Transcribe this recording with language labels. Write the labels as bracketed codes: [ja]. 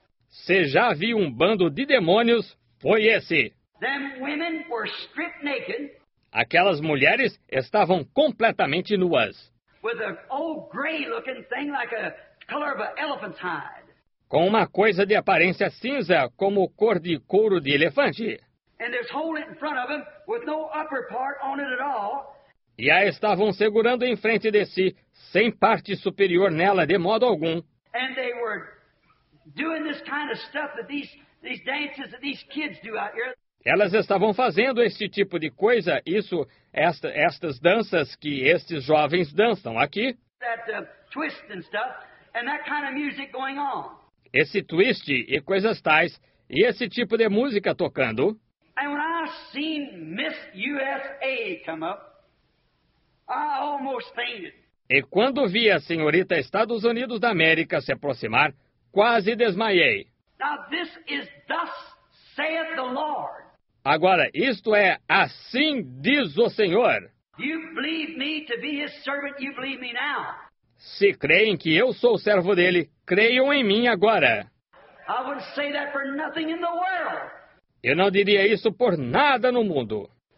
[pt] Se já vi um bando de demônios, foi esse. [en] Them women were stripped naked, [pt] aquelas mulheres estavam completamente nuas. [en] With an old gray-looking thing like a color of an elephant's hide. [pt] Com uma coisa de aparência cinza, como cor de couro de elefante. [en] And there's holding in front of them with no upper part on it at all. [pt] E a estavam segurando em frente de si, sem parte superior nela de modo algum. [en] And they were doing this kind of stuff that these dances that these kids do out here. [pt] Elas estavam fazendo esse tipo de coisa, estas danças que estes jovens dançam aqui. [en] Twist and stuff, and that kind of music going on. [pt] Esse twist e coisas tais, e esse tipo de música tocando. [en] And when I seen Miss USA come up, I almost fainted. [pt] E quando vi a senhorita Estados Unidos da América se aproximar, quase desmaiei. [en] Now this is thus saith the Lord. [pt] Agora, isto é, assim diz o Senhor. [en] You believe me to be his servant, you believe me now. [pt] Se creem que eu sou o servo dele, creiam em mim agora. [en] I would say that for nothing in the world. [pt] Eu não diria isso por nada no mundo.